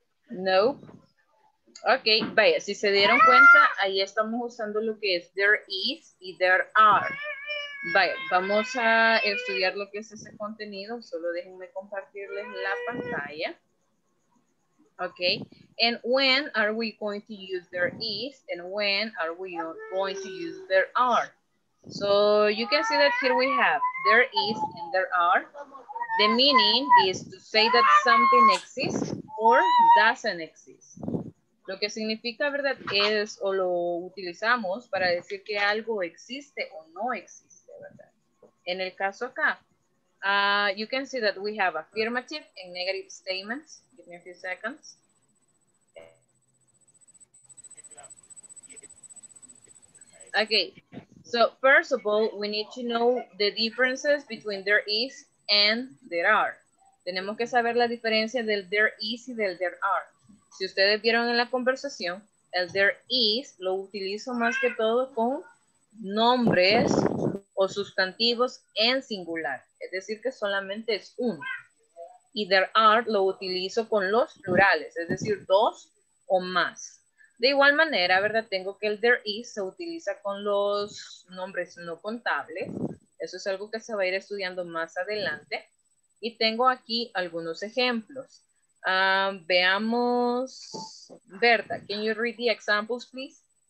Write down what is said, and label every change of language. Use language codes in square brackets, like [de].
[es] No. Ok, vaya, si se dieron cuenta, ahí estamos usando lo que es there is y there are. Vaya, vamos a estudiar lo que es ese contenido. Solo déjenme compartirles la pantalla. Ok. [en] And when are we going to use there is? And when are we going to use there are? So you can see that here we have there is and there are. The meaning is to say that something exists or doesn't exist. [es] Lo que significa, ¿verdad? Es, o lo utilizamos para decir que algo existe o no existe, ¿verdad? En el caso acá, [en] you can see that we have affirmative and negative statements. Give me a few seconds. Okay, so first of all, we need to know the differences between there is and there are. [es] Tenemos que saber la diferencia del there is y del there are. Si ustedes vieron en la conversación, el there is lo utilizo más que todo con nombres o sustantivos en singular. Es decir, que solamente es uno. Y there are lo utilizo con los plurales, es decir, dos o más. De igual manera, ¿verdad? Tengo que el there is se utiliza con los nombres no contables. Eso es algo que se va a ir estudiando más adelante. Y tengo aquí algunos ejemplos. Veamos, [en] Berta, can you read the examples, please?